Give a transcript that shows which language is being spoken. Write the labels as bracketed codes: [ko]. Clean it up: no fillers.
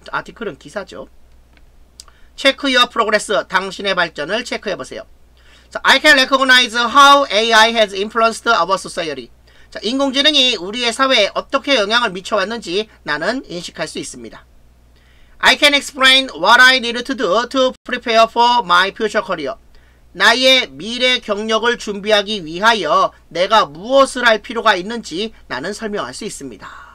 [ko] 아티클은 기사죠. [en] Check your progress. [ko] 당신의 발전을 체크해보세요. [en] I can recognize how AI has influenced our society. [ko] 자, 인공지능이 우리의 사회에 어떻게 영향을 미쳐왔는지 나는 인식할 수 있습니다. [en] I can explain what I need to do to prepare for my future career. [ko] 나의 미래 경력을 준비하기 위하여 내가 무엇을 할 필요가 있는지 나는 설명할 수 있습니다.